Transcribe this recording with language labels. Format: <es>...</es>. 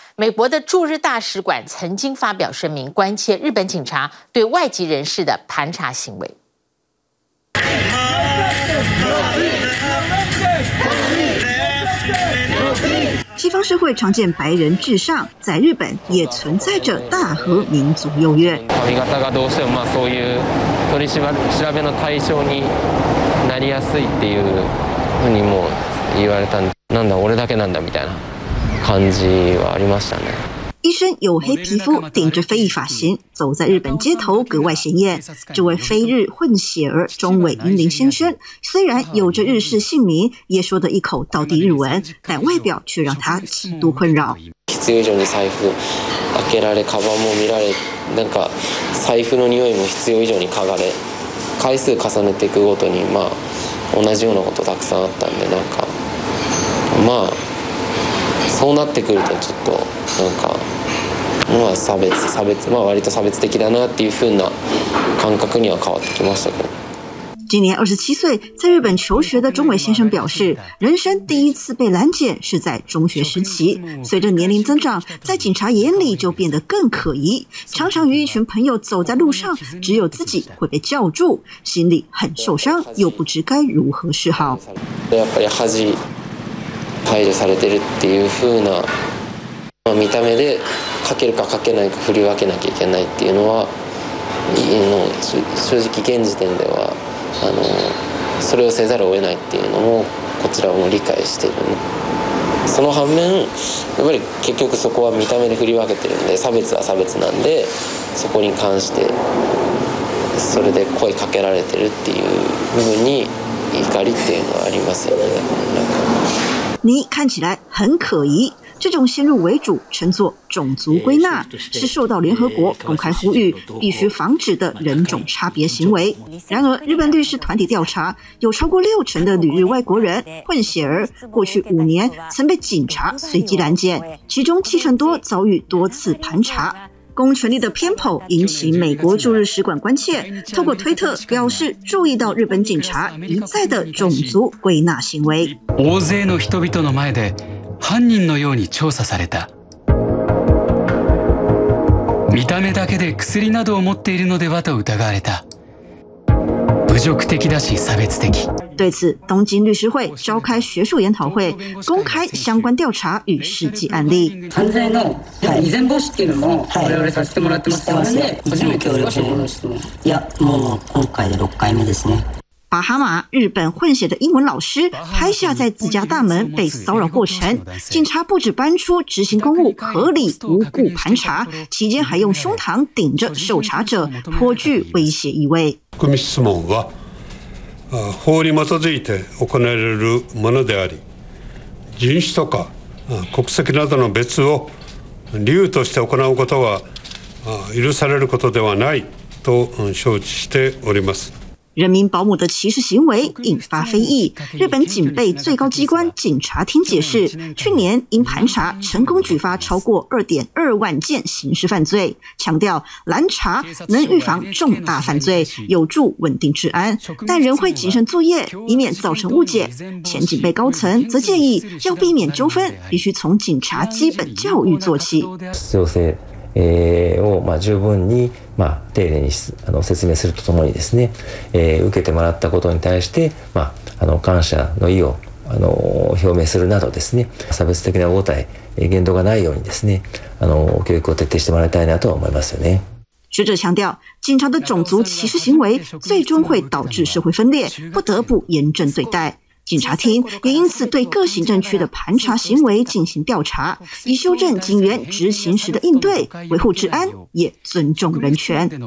<zh>美国的驻日大使馆曾经发表声明，关切日本警察对外籍人士的盘查行为。西方社会常见白人至上，在日本也存在着大和民族优越。</zh> <ja>髪型がどうしてもまあそういう取り調べの対象になりやすいっていうふうにも言われたんだ。なんだ俺だけなんだみたいな感じはありましたね。</ja> <zh>一身黝黑皮肤，顶着非裔发型，走在日本街头格外显眼。这位非日混血儿中尾云林先生，虽然有着日式姓名，也说得一口道地日文，但外表却让他极度困扰。</zh> <ja>必要以上に財布開けられ、カバンも見られ、なんか財布の匂いも必要以上に嗅がれ、回数重ねていくごとにまあ同じようなことたくさんあったんで、なんかまあ。そうなってくるとちょっとなんかまあ差別まあ割と差別的だなっていう風な感覚には変わってきましたけど。</ja> <zh>今年27岁在日本求学的中尾先生表示，人生第一次被拦检是在中学时期。随着年龄增长，在警察眼里就变得更可疑，常常与一群朋友走在路上，只有自己会被叫住，心里很受伤，又不知该如何是好。</zh> <ja>やっぱり恥排除されてるっていう風な、まあ、見た目でかけるかかけないか振り分けなきゃいけないっていうのは、正直現時点ではそれをせざるを得ないっていうのもこちらも理解してる。その反面やっぱり結局そこは見た目で振り分けてるんで、差別は差別なんで、そこに関してそれで声かけられてるっていう部分に怒りっていうのはありますよね。</ja> <zh>你看起来很可疑，这种先入为主称作种族归纳，是受到联合国公开呼吁必须防止的人种差别行为。然而日本律师团体调查，有超过六成的旅日外国人混血儿过去五年曾被警察随机拦检，其中七成多遭遇多次盘查。公权力的偏颇引起美国驻日使馆关切，透过推特表示注意到日本警察一再的种族归纳行为。</zh> <ja>大勢の人々の前で犯人のように調査された。見た目だけで薬などを持っているのではと疑われた。侮辱的だし差別的。</ja> <zh>对此，东京律师会召开学术研讨会，公开相关调查与实际案例。</zh> <ja>犯罪の依然防止っていうのも我々させてもらってます。ね、もちろん協力して。いや、もう今回で6回目ですね。</ja> <zh>巴哈马日本混血的英文老师拍下在自家大门被骚扰过程，警察不止搬出执行公务合理无故盘查，期间还用胸膛顶着受查者，颇具威胁意味。</zh> <ja>国民質問は法に基づいて行われるものであり、人種とか国籍などの別を理由として行うことは許されることではないと承知しております。</ja> <zh>人民保姆的歧视行为引发非议，日本警备最高机关警察厅解释，去年因盘查成功举发超过 2.2 万件刑事犯罪，强调拦查能预防重大犯罪，有助稳定治安，但仍会谨慎作业，以免造成误解。前警备高层则建议，要避免纠纷必须从警察基本教育做起。</zh> <ja>を十分に丁寧に説明するとともにですね、受けてもらったことに対して感謝の意を表明するなどですね、差別的な応対言動がないようにですね、教育を徹底してもらいたいなと思いますよね。</ja> <zh>学者强调，警察的种族歧视行为最终会导致社会分裂，不得不严正对待。警察厅也因此对各行政区的盘查行为进行调查，以修正警员执行时的应对，维护治安，也尊重人权。</zh>